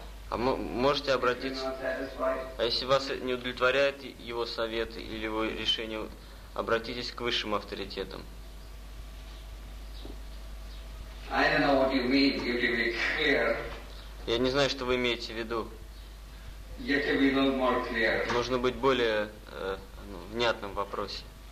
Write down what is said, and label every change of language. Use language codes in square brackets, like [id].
[ru] А можете обратиться, а если вас не удовлетворяет его совет или его решение, обратитесь к высшим авторитетам. [en] I don't know what you mean, if you be clear. [ru] Я не знаю, что вы имеете в виду. [en] You can be a little more clear. [ru] Нужно быть более внятным в вопросе.